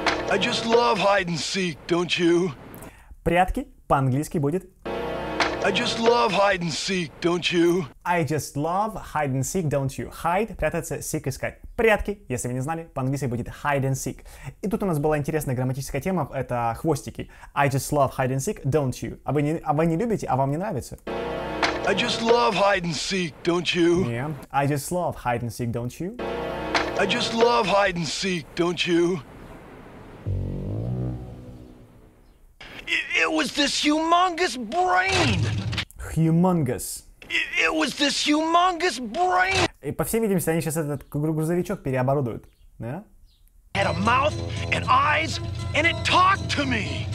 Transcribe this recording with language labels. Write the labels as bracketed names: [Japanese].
[English] I just love hide and seek, don't you? [Russian] Прятки по-английски будет. [English] I just love hide and seek, don't you? I just love hide and seek, don't you? [Russian] Hide — прятаться, seek — искать. Прятки, если вы не знали, по-английски будет [English] hide and seek. [Russian] И тут у нас была интересная грамматическая тема, это хвостики. [English] I just love hide and seek, don't you? [Russian] А вы не любите, а вам не нравится? [English] I just love hide and seek, don't you? Yeah. I just love hide and seek, don't you? I just love hide and seek, don't you? It was this humongous brain. Humongous. It was this humongous brain. [Russian] И по всей видимости, они сейчас этот грузовичок переоборудуют, да? [English] Had a mouth and eyes and it talked to me.